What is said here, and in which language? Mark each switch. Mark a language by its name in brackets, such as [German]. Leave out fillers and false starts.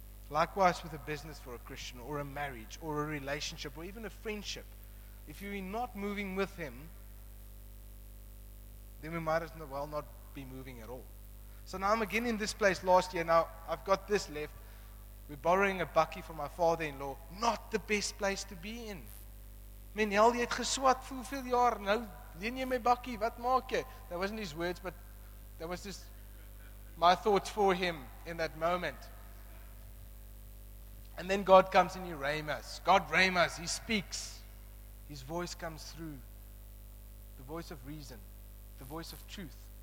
[English] Likewise with a business for a Christian or a marriage or a relationship or even a friendship. If you're not moving with Him, then we might as well not be moving at all. So now I'm again in this place last year. Now I've got this left. We're borrowing a bucky from my father-in-law. Not the best place to be in. [Afrikaans] Men, hell, jy het geswat vir hoeveel jaar. Nou leen jy my bucky. Wat maak jy? [English] That wasn't his words, but that was just my thoughts for him in that moment. And then God comes and He ramas. God ramas. He speaks. His voice comes through. The voice of reason. The voice of truth.